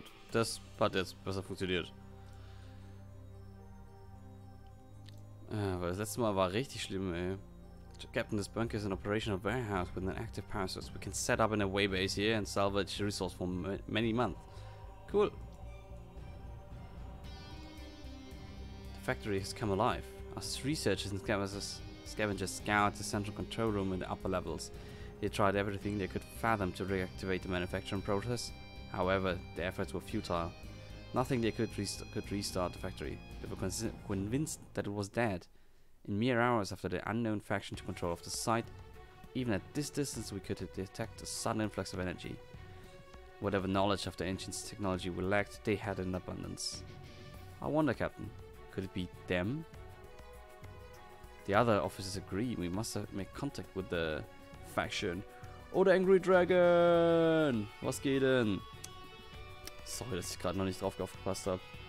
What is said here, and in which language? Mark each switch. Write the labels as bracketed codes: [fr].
[de] Das hat jetzt besser funktioniert. Weil das letzte Mal war richtig schlimm, ey. [en] Captain, this bunker is an operational warehouse with an active power source. We can set up an away base here and salvage the resource for many months. Cool. The factory has come alive. Us researchers and scavengers scoured the central control room in the upper levels. They tried everything they could fathom to reactivate the manufacturing process. However, the efforts were futile. Nothing they could restart the factory. They were convinced that it was dead. In mere hours after the unknown faction took control of the site, even at this distance we could detect a sudden influx of energy. Whatever knowledge of the ancient technology we lacked, they had in abundance. I wonder, Captain, could it be them? The other officers agree we must make contact with the faction. [de] Oh, the Angry Dragon! Was geht denn? Sorry, dass ich gerade noch nicht drauf aufgepasst habe.